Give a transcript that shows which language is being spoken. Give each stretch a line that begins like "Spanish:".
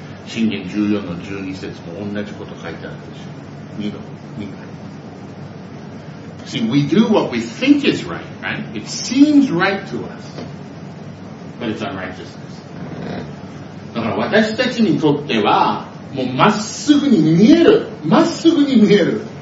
Japanese: 箴言14の12節も同じこと書いてあるでしょ。 2度、2回。
English: See, we do what we think is right, right? It seems right to us, but it's unrighteousness.
Japanese: だから私たちにとっては、もうまっすぐに見える、まっすぐに見える。